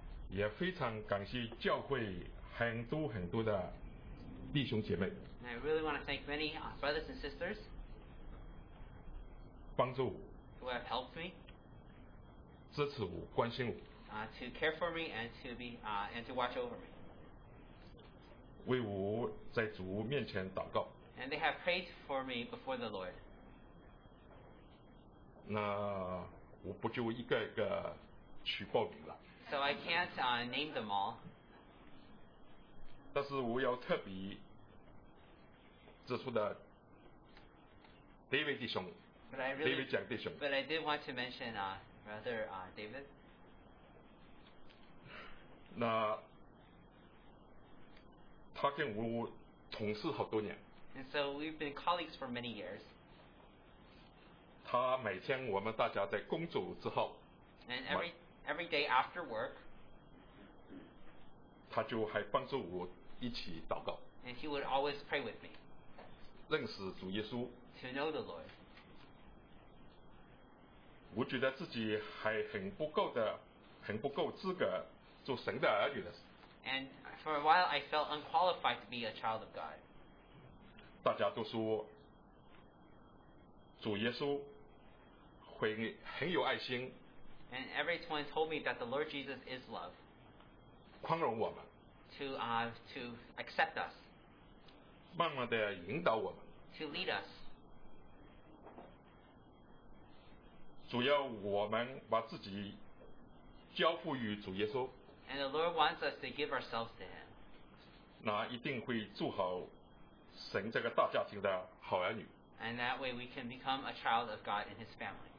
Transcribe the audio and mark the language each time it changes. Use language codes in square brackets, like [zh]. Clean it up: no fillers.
[zh] 也非常感谢教会很多很多的弟兄姐妹。 [en] And、I really want to thank many brothers and sisters。 [zh] 帮助。 [en] Who have helped me。 [zh] 支持我，关心我。 [en] To care for me and to be and to watch over me。 [zh] 为我在主面前祷告。 [en] And they have prayed for me before the Lord。 [zh] 那我不就一个一个去报名了。 [en] So I can't name them all。 [zh] 但是我要特别指出的 ，David 弟兄 ，David 蒋弟兄。 [en] But I did want to mention brother David。 [zh] 那他跟我同事好多年。 [en] And so we've been colleagues for many years。 [zh] 他每天我们大家在工作之后。 [en] And every day after work。 [zh] 他就还帮助我一起祷告。 [en] And he would always pray with me。 [zh] 认识主耶稣。 [en] To know the Lord。 [zh] 我觉得自己还很不够资格做神的儿女的。 [en] And for a while I felt unqualified to be a child of God。 [zh] 大家都说主耶稣会很有爱心。 [en] And everyone told me that the Lord Jesus is love。 [zh] 宽容我们。 [en] To accept us。 [zh] 慢慢的引导我们。 [en] To lead us。 [zh] 主要我们把自己交付于主耶稣。 [en] And the Lord wants us to give ourselves to Him。 [zh] 那一定会做好神这个大家庭的好儿女。 [en] And that way we can become a child of God and His family。